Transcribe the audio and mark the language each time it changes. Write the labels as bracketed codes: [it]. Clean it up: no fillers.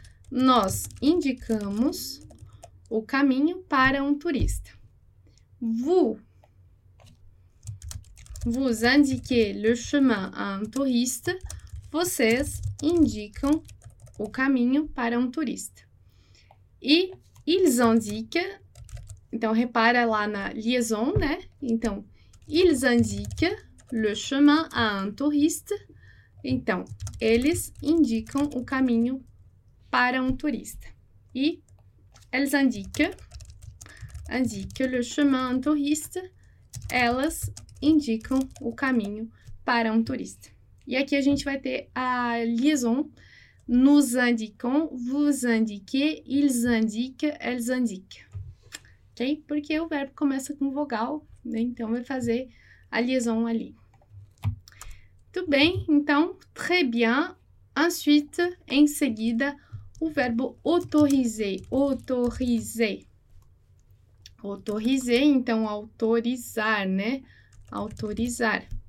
[pt] Nós indicamos o caminho para um turista. [fr] Vous indiquez le chemin à un touriste. [pt] Vocês indicam o caminho para um turista. E [fr] ils indiquent. [pt] Então, repara lá na liaison, né? [fr] Então, ils indiquent le chemin à un touriste. [pt] Então, eles indicam o caminho para um turista. [fr] E elles indiquent le chemin à un touriste. [pt] Elas indicam o caminho para um turista. E aqui a gente vai ter a liaison. [fr] Nous indiquons, vous indiquez, ils indiquent, elles indiquent. Ok? [pt] Porque o verbo começa com vogal, né? Então, vai fazer a liaison ali. Tudo bem? Então, [fr] très bien. Ensuite, [pt] em seguida, o verbo autoriser. Autoriser. Autoriser, então, autorizar, né? Autorizar.